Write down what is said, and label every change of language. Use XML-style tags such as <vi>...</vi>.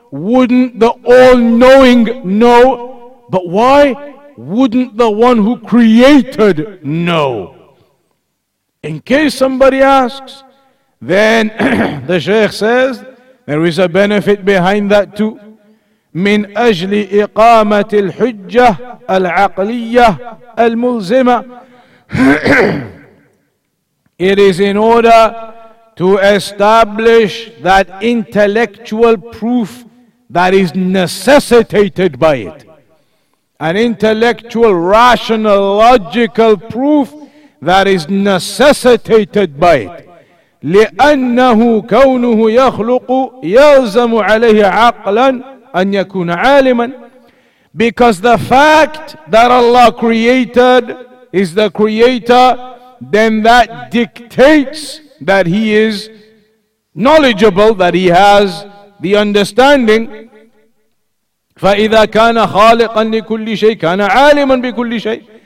<en>Wouldn't the all-knowing know? But why wouldn't the one who created know? In case somebody asks, then the Shaykh says, there is a benefit behind that too.</en> <ar>من أجل إقامة الحجة العقلية الملزمة.</ar> <en>It is in order to establish that intellectual proof that is necessitated by it. An intellectual, rational, logical proof that is necessitated by it.</en> <ar>لأنه كونه يخلق يلزم عليه عقلا أن يكون عالما.</ar> <en>Because the fact that Allah created is the creator, then that dictates that he is knowledgeable, that he has the understanding.</en> <ar>فَإِذَا كَانَ خَالِقًا لِكُلِّ شَيْءٍ كَانَ عَالِمًا بِكُلِّ شَيْءٍ.</ar>